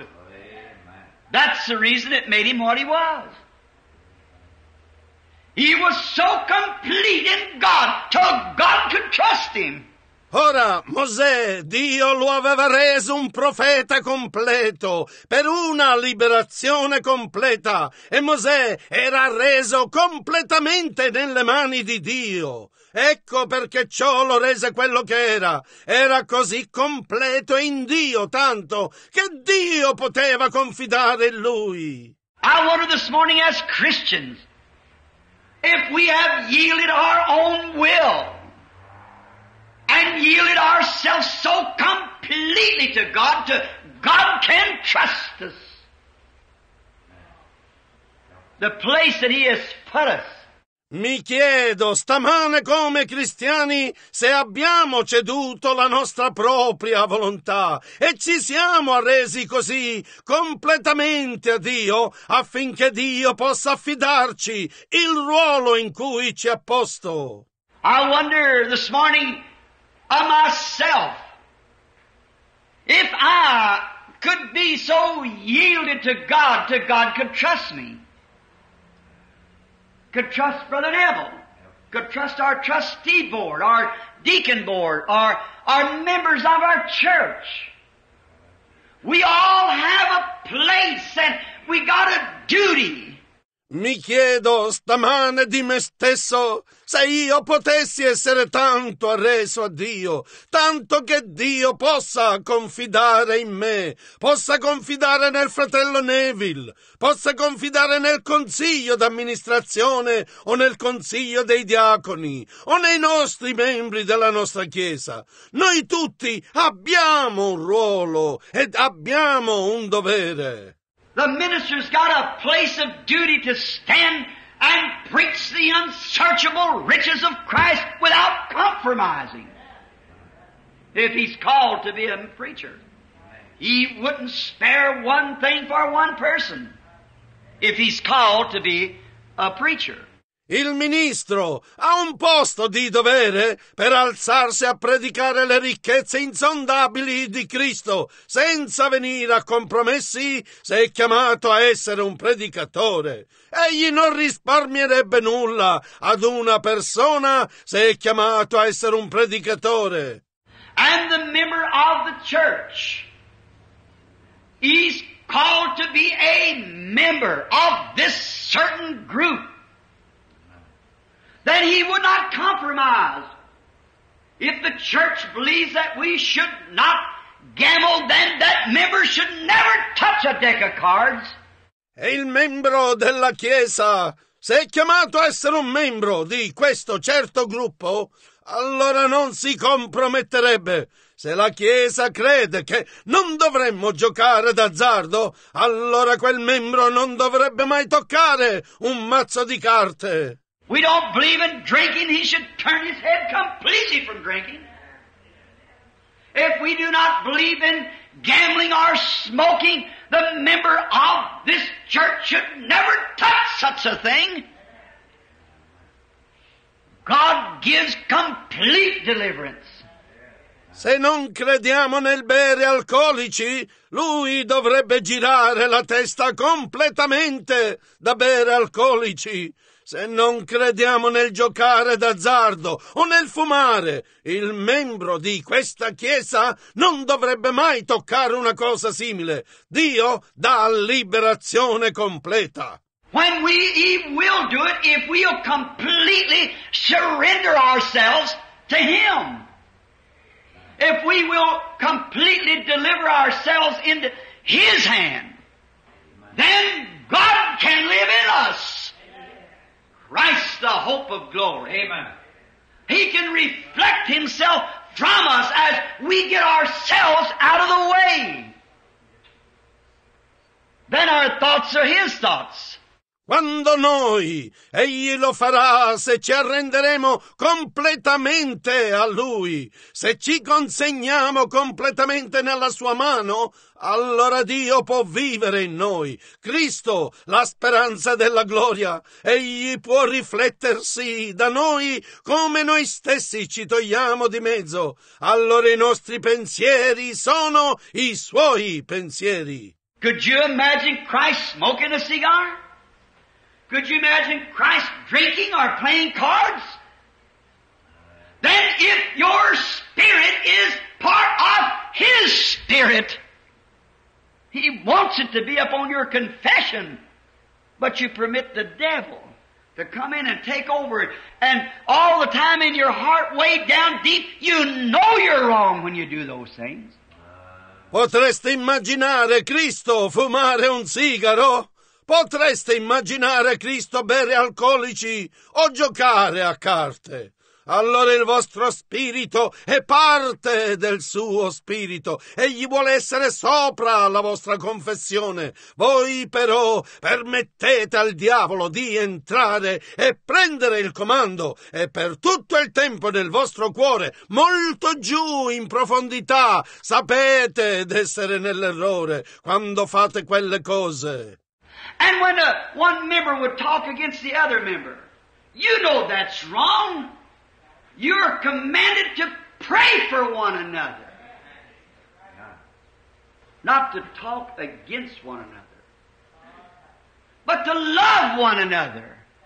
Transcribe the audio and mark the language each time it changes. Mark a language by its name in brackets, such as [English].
[English] Amen. That's the reason it made him what he was. He was so complete in God, till God could trust him. [Italian] Ora, Mosè, Dio lo aveva reso un profeta completo per una liberazione completa, e Mosè era reso completamente nelle mani di Dio. Ecco perché ciò lo rese quello che era. Era così completo in Dio, tanto che Dio poteva confidare in lui. [English] I wonder this morning as Christians, if we have yielded our own will and yielded ourselves so completely to God, to God can trust us. The place that He has put us. [Italian] Mi chiedo stamane, come cristiani, se abbiamo ceduto la nostra propria volontà e ci siamo arresi così completamente a Dio, affinché Dio possa affidarci il ruolo in cui ci ha posto. [English] I wonder this morning, of myself, if I could be so yielded to God could trust me, could trust Brother Neville, could trust our trustee board, our deacon board, our members of our church. We all have a place and we got a duty. [Italian] Mi chiedo stamane di me stesso se io potessi essere tanto arreso a Dio, tanto che Dio possa confidare in me, possa confidare nel fratello Neville, possa confidare nel consiglio d'amministrazione o nel consiglio dei diaconi o nei nostri membri della nostra Chiesa. Noi tutti abbiamo un ruolo ed abbiamo un dovere. [English] The minister's got a place of duty to stand and preach the unsearchable riches of Christ without compromising. If he's called to be a preacher, he wouldn't spare one thing for one person if he's called to be a preacher. [Italian] Il ministro ha un posto di dovere per alzarsi a predicare le ricchezze insondabili di Cristo, senza venire a compromessi se è chiamato a essere un predicatore. Egli non risparmierebbe nulla ad una persona se è chiamato a essere un predicatore. [English] And the member of the church is called to be a member of this certain group. Then he would not compromise. If the church believes that we should not gamble, then that member should never touch a deck of cards. [Italian] E il membro della Chiesa, se è chiamato a essere un membro di questo certo gruppo, allora non si comprometterebbe. Se la Chiesa crede che non dovremmo giocare d'azzardo, allora quel membro non dovrebbe mai toccare un mazzo di carte. [English] We don't believe in drinking, he should turn his head completely from drinking. If we do not believe in gambling or smoking, the member of this church should never touch such a thing. God gives complete deliverance. [Italian] Se non crediamo nel bere alcolici, lui dovrebbe girare la testa completamente da bere alcolici. Se non crediamo nel giocare d'azzardo o nel fumare, il membro di questa chiesa non dovrebbe mai toccare una cosa simile. Dio dà liberazione completa. [English] When we will do it, if we'll completely surrender ourselves to Him. If we will completely deliver ourselves into His hand, then God can live in us. Christ, the hope of glory. Amen. He can reflect Himself from us as we get ourselves out of the way. Then our thoughts are His thoughts. [Italian] Quando noi, Egli lo farà se ci arrenderemo completamente a Lui, se ci consegniamo completamente nella Sua mano, allora Dio può vivere in noi. Cristo, la speranza della gloria, Egli può riflettersi da noi come noi stessi ci togliamo di mezzo. Allora i nostri pensieri sono i Suoi pensieri. [English] Could you imagine Christ smoking a cigar? Could you imagine Christ drinking or playing cards? Then if your spirit is part of His spirit, He wants it to be upon your confession, but you permit the devil to come in and take over it. And all the time in your heart, way down deep, you know you're wrong when you do those things. [Italian] Potreste immaginare Cristo fumare un sigaro? Potreste immaginare Cristo bere alcolici o giocare a carte? Allora il vostro spirito è parte del suo spirito. Egli vuole essere sopra la vostra confessione. Voi però permettete al diavolo di entrare e prendere il comando e per tutto il tempo nel vostro cuore, molto giù in profondità, sapete d'essere nell'errore quando fate quelle cose. [English] And when one member would talk against the other member, you know that's wrong. You are commanded to pray for one another. Not to talk against one another, but to love one another.